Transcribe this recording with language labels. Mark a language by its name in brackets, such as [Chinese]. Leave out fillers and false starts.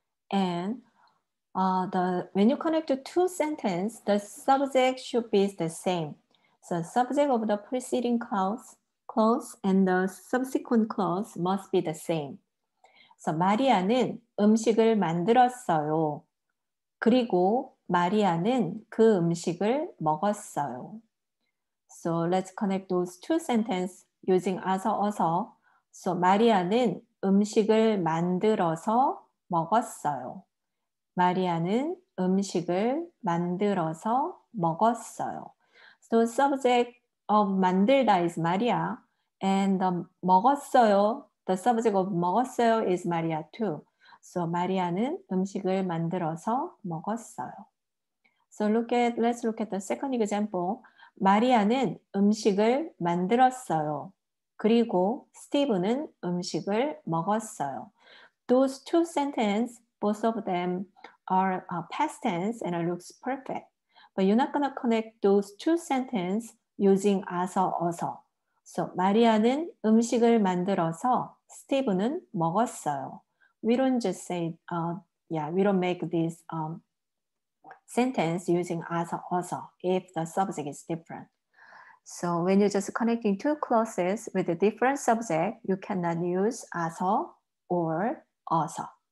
[English] And when you connect to two sentences, the subject should be the same. So subject of the preceding clause and the subsequent clause must be the same. [Korean] So 마리아는 음식을 만들었어요. 그리고 마리아는 그 음식을 먹었어요. [English] So let's connect those two sentences using 아서, 어서. [Korean] So 마리아는 음식을 만들어서 먹었어요. 마리아는 음식을 만들어서 먹었어요. [English] So subject of 만들다 is 마리아. And the 먹었어요, the subject of 먹었어요 is 마리아 too. [Korean] So 마리아는 음식을 만들어서 먹었어요. [English] So let's look at the second example. [Korean] 마리아는 음식을 만들었어요. 그리고 스티브는 음식을 먹었어요. [English] Those two sentences, both of them are past tense and it looks perfect. But you're not going to connect those two sentences using 아서, 어서. [Korean] So 마리아는 음식을 만들어서 스티브는 먹었어요. [English] We don't just say, we don't make this sentence using 아서, 어서 if the subject is different. So when you're just connecting two clauses with a different subject, you cannot use 아서 or 어서.